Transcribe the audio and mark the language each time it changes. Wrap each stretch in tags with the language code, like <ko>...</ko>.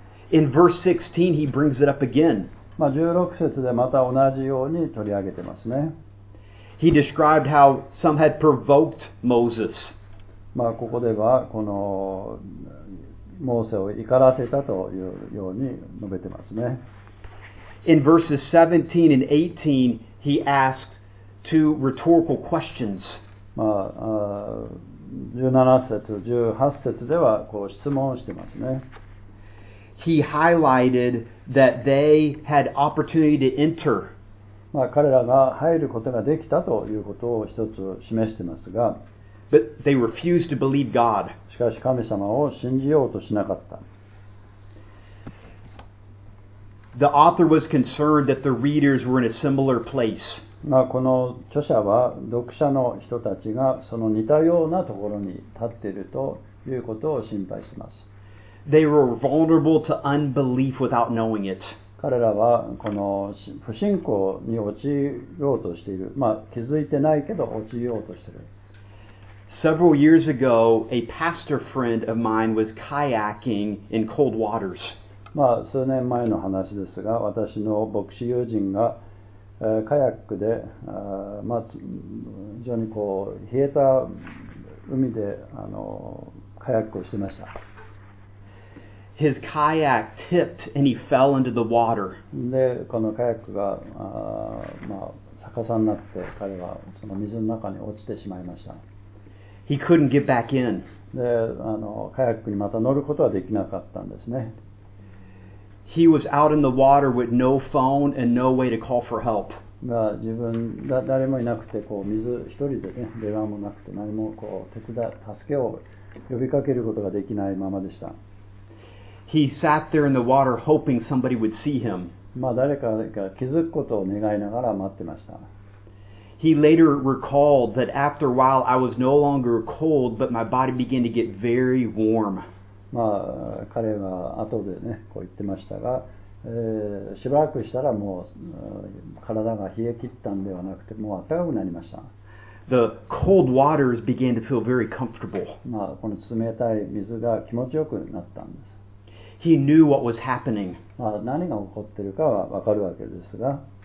<en>In verse 16, he brings it up again.</en> <ja>まあ16節でまた同じように取り上げてますね。</ja> <en>He described how some had provoked Moses.</en> <ja>まあここではこのモーセを怒らせたというように述べてますね。</ja> <en>In verses 17 and 18,He asked two rhetorical questions.</en> <ja>まあ、17節、18節ではこう質問をしてますね。</ja> <en>He highlighted that they had opportunity to enter.</en> <ja>まあ、彼らが入ることができたということを一つ示してますが。</ja> <en>But they refused to believe God.</en> <ja>しかし神様を信じようとしなかった。</ja> <en>The author was concerned that the readers were in a similar place.</en> <ja>まあこの著者は読者の人たちがその似たようなところに立っているということを心配します。</ja> <en>They were vulnerable to unbelief without knowing it.</en> <ja>彼らはこの不信仰に陥ろうとしている。まあ気づいてないけど陥ろうとしている。</ja> <en>Several years ago, a pastor friend of mine was kayaking in cold waters.</en> <ja>まあ、数年前の話ですが、私の牧師友人が、カヤックで、まあ、非常にこう冷えた海でカヤックをしてました。</ja> <en>His kayak tipped and he fell into the water.</en> <ja>で、このカヤックが、まあ、逆さになって彼はその水の中に落ちてしまいました。</ja> <en>He couldn't get back in.</en> <ja>で、カヤックにまた乗ることはできなかったんですね。</ja> <en>He was out in the water with no phone and no way to call for help.</en> <ja>まあ自分だ誰もいなくてこう水一人でね電話もなくて何もこう助けを呼びかけることができないままでした。</ja> <en>He sat there in the water hoping somebody would see him.</en> <ja>まあ誰かが気づくことを願いながら待ってました。</ja> <en>He later recalled that after a while I was no longer cold but my body began to get very warm.</en> <ja>まあ、彼が後でね、こう言ってましたが、しばらくしたらもう、体が冷え切ったんではなくて、もう暖かくなりました。</ja> <en>The cold waters began to feel very comfortable.</en> <ja>まあ、この冷たい水が気持ちよくなったんです。</ja> <en>He knew what was happening.</en> <ja>まあ、何が起こっているかはわかるわけですが。</ja>